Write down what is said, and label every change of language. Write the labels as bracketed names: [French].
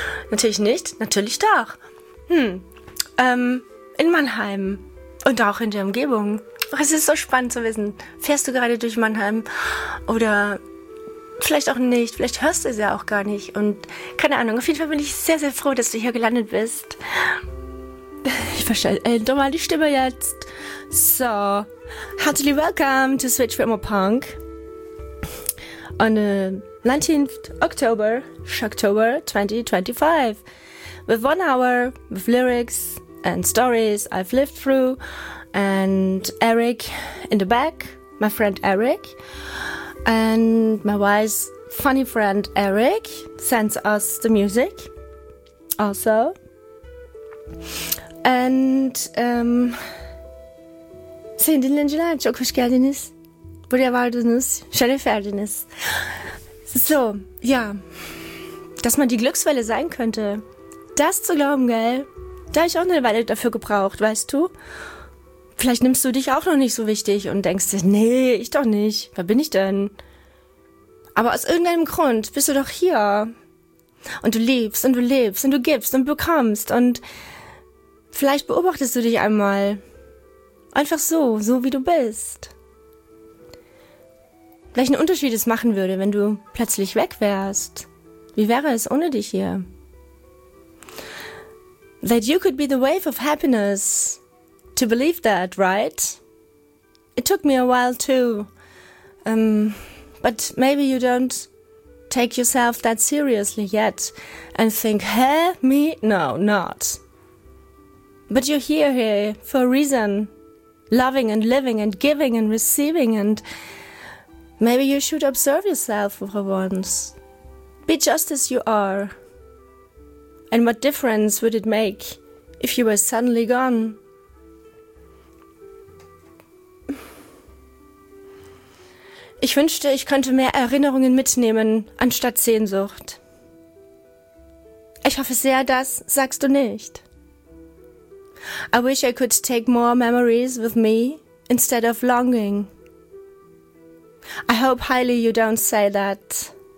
[German] Natürlich nicht, natürlich doch. In Mannheim und auch in der Umgebung. Es ist so spannend zu wissen. Fährst du gerade durch Mannheim oder vielleicht auch nicht? Vielleicht hörst du es ja auch gar nicht. Und keine Ahnung, auf jeden Fall bin ich sehr, sehr froh, dass du hier gelandet bist. Ich verstehe doch mal die Stimme jetzt. [English] So, heartily welcome to Switch Rhythm Punk on the 19th October, 2025. With 1 hour, with lyrics and stories I've lived through, and Eric in the back, my friend Eric, and my wise, funny friend Eric sends us the music also. [Turkish] And, Sayın dinleyiciler, çok hoş geldiniz. Buraya vardınız, şeref verdiniz. [German] So, ja. Dass man die Glückswelle sein könnte, das zu glauben, gell? Da habe ich auch eine Weile dafür gebraucht, weißt du? Vielleicht nimmst du dich auch noch nicht so wichtig und denkst dir, nee, ich doch nicht. Wer bin ich denn? Aber aus irgendeinem Grund bist du doch hier. Und du liebst und du lebst und du gibst und bekommst. Und vielleicht beobachtest du dich einmal. Einfach so, so wie du bist. Welchen Unterschied es machen würde, wenn du plötzlich weg wärst. Wie wäre es ohne dich hier? [English] That you could be the wave of happiness. To believe that, right? It took me a while too. But maybe you don't take yourself that seriously yet. And think, hey, me? No, not. But you're here, here for a reason. Loving and living and giving and receiving, and maybe you should observe yourself for once. Be just as you are. And what difference would it make if you were suddenly gone? [German] Ich wünschte, ich könnte mehr Erinnerungen mitnehmen anstatt Sehnsucht. Ich hoffe sehr, das sagst du nicht. [English] I wish I could take more memories with me instead of longing. I hope highly you don't say that.